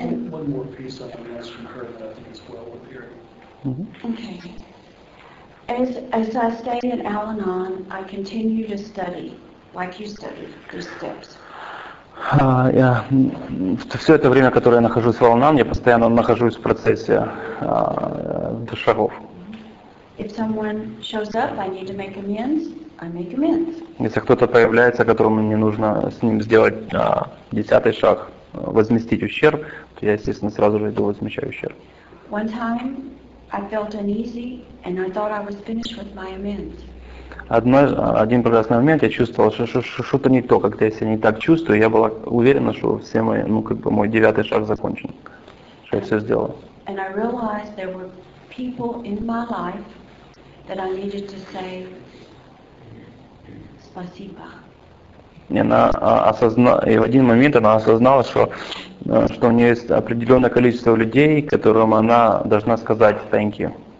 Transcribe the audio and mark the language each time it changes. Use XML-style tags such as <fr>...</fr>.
<en>One more piece of an answer from her that I think is well worth hearing. Okay. As I stayed in Al-Anon, I continue to study, like you studied, these steps.</en> <ru>Я все это время, которое я нахожусь в Алнан, я постоянно нахожусь в процессе шагов.</ru> <en>If someone shows up, I need to make amends, I make amends.</en> <ru>Если кто-то появляется, которому мне нужно с ним сделать десятый шаг, возместить ущерб, то я, естественно, сразу же иду возмещаю ущерб.</ru> <en>One time I felt uneasy and I thought I was finished with my amends.</en> <ru>Один прекрасный момент я чувствовал, что что-то не то, когда я себя не так чувствую, я была уверена, что все мои, ну как бы мой девятый шаг закончен, что я все сделала.</ru> <en>And I realized there were people in my life that I needed to say</en> <ru>спасибо. И она осознала, и в один момент она осознала, что у нее есть определенное количество людей, которым она должна сказать</ru> <en>thank you.</en>